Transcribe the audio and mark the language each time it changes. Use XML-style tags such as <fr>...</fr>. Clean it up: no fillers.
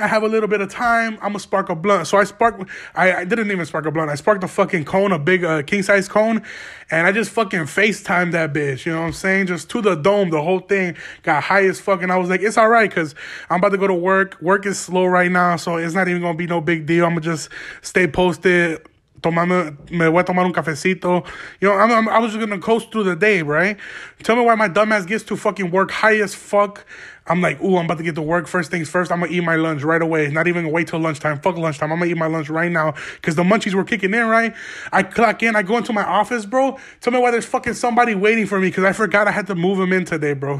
<en>I have a little bit of time. I'm going to spark a blunt. So I didn't even spark a blunt. I sparked a fucking cone, a big king-size cone. And I just fucking FaceTimed that bitch. You know what I'm saying? Just to the dome, the whole thing. Got high as fuck. And I was like, it's all right, because I'm about to go to work. Work is slow right now, so it's not even going to be no big deal. I'm going to just stay posted.</en> <es>Me voy a tomar un cafecito.</es> <en>You know, I was just going to coast through the day, right? Tell me why my dumbass gets to fucking work high as fuck. I'm like, ooh, I'm about to get to work. First things first, I'm going to eat my lunch right away. Not even wait till lunchtime. Fuck lunchtime. I'm going to eat my lunch right now because the munchies were kicking in, right? I clock in. I go into my office, bro. Tell me why there's fucking somebody waiting for me, because I forgot I had to move him in today, bro.</en>